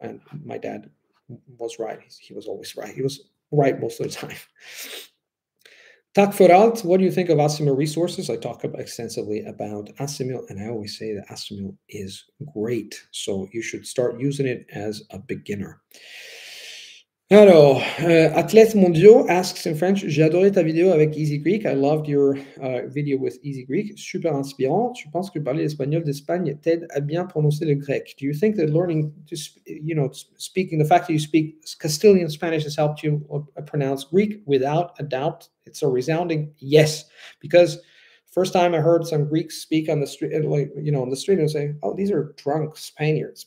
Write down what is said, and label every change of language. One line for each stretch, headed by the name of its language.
English: And my dad was right. He was always right. He was right most of the time.
Danish: Tak for alt.
English: What do you think of Asimil resources? I talk extensively about Asimil, and I always say that Asimil is great. So you should start using it as a beginner.
French: Alors, Athlète Mondiaux
English: asks in French,
French: j'ai adoré ta vidéo avec Easy Greek.
English: I loved your video with Easy Greek.
French: Super inspirant. Tu penses que parler l'espagnol d'Espagne t'aide à bien prononcer le grec?
English: Do you think that learning, to, you know, speaking, the fact that you speak Castilian Spanish has helped you pronounce Greek? Without a doubt, it's a resounding yes. Because first time I heard some Greeks speak on the street, like, you know, on the street, and say, oh, these are drunk Spaniards.